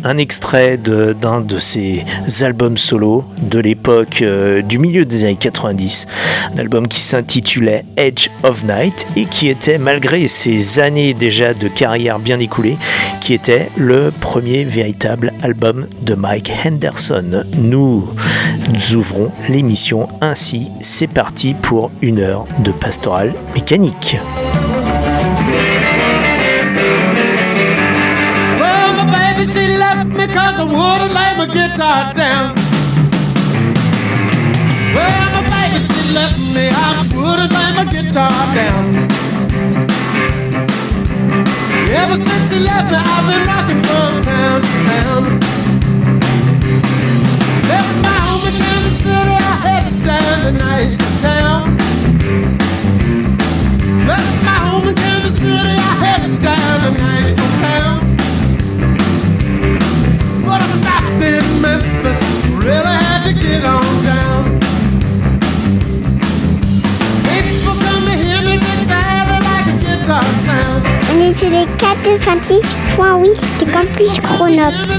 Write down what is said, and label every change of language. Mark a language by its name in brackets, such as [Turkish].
[French] Un extrait d'un de ses albums solo de l'époque du milieu des années 90, un album qui s'intitulait Edge of Night et qui était, malgré ses années déjà de carrière bien écoulées, qui était le premier véritable album de Mike Henderson. Nous ouvrons l'émission ainsi. C'est parti pour une heure de Pastoral Mécanique. [English] Well, my baby, she left me 'cause I wouldn't lay my guitar down. Well, my baby, she left me, I wouldn't lay my guitar down. Ever since she left me, I've been rocking from town to town. Left my home in Kansas City, I headed down to Nashville town. Left my home in Kansas City, I headed down to Nashville town. But I stopped in Memphis, really had to get on down. People come to hear me, they sound like a guitar sound. [French] On est sur les 96.8 de Campus Grenoble.